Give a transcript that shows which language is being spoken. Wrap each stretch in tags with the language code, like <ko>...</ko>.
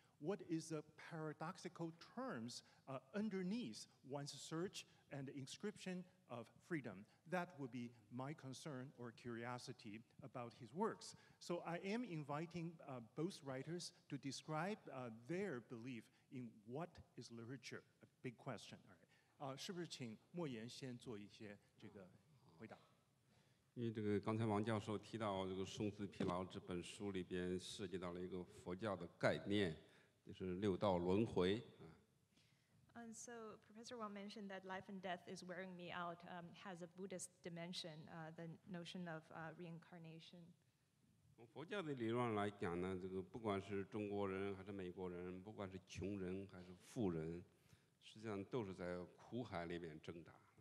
<en>What is the paradoxical terms underneath one's search and inscription of freedom? That would be my concern or curiosity about his works. So I am inviting both writers to describe their belief in what is literature, a big question. All right.</en> <zh>是不是请莫言先做一些这个回答？因为这个刚才王教授提到这个《生死疲劳》这本书里边涉及到了一个佛教的概念，就是六道轮回。</zh> <en>And so Professor Wang mentioned that life and death is wearing me out has a Buddhist dimension, the notion of reincarnation.</en> <zh>从佛教的理论来讲呢，这个不管是中国人还是美国人，不管是穷人还是富人，实际上都是在苦海里面挣扎。</zh>